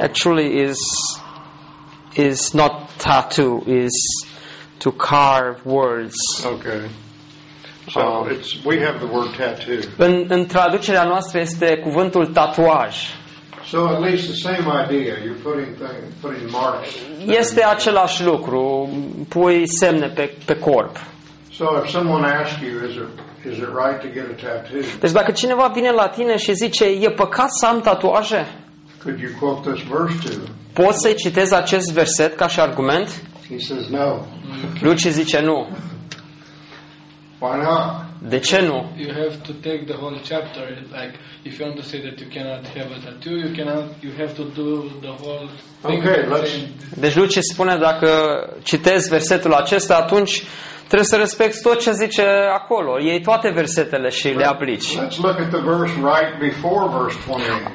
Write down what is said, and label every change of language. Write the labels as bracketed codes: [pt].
[en] actually is not tattoo, is to carve words. Okay. So it's we have the word tattoo. [ro] În traducerea noastră este cuvântul tatuaj. [en] So at least the same idea. You're putting marks. [ro] Este același lucru. Pui semne pe corp. [en] So if someone asks you, is it right to get a tattoo? [ro] Deci dacă cineva vine la tine și zice, e păcat să am tatuaje? [en] Could you quote this verse to? [ro] Poți să-i citezi acest verset ca și argument? [en] He says no. [ro] Luci zice nu. [en] Why not? [ro] De ce nu? [en] You have to take the whole chapter. Like if you want to say that you cannot have a tattoo, you cannot. You have to do the whole thing. Okay, let's. [ro] Deci Luci spune dacă citezi versetul acesta, atunci trebuie să respecti tot ce zice acolo. Iei toate versetele și le aplici. [en] Let's look at the verse right before verse 28.